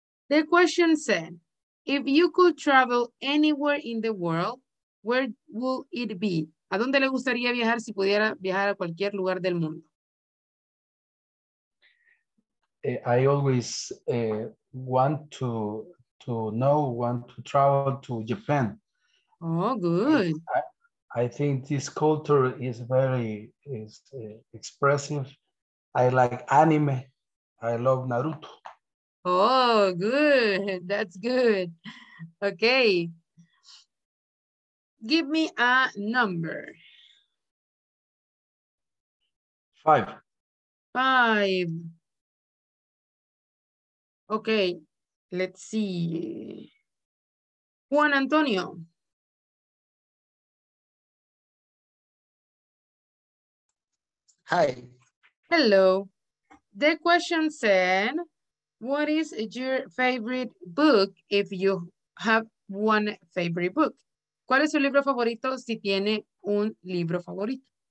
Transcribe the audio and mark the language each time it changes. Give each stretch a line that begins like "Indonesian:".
English: The question said, if you could travel anywhere in the world, where would it be?
Spanish: ¿A dónde le gustaría viajar si pudiera viajar a cualquier lugar del mundo?
English: I always want to travel to Japan. Oh, good. I think this culture is very expressive. I like anime. I love Naruto. Oh, good. That's good. Okay. Give me a number. Five. Five. Okay, Let's see. Juan Antonio. Hi. Hello. The question said, what is your favorite book if you have one favorite book?
Spanish: ¿Cuál es su libro favorito si tiene un libro favorito?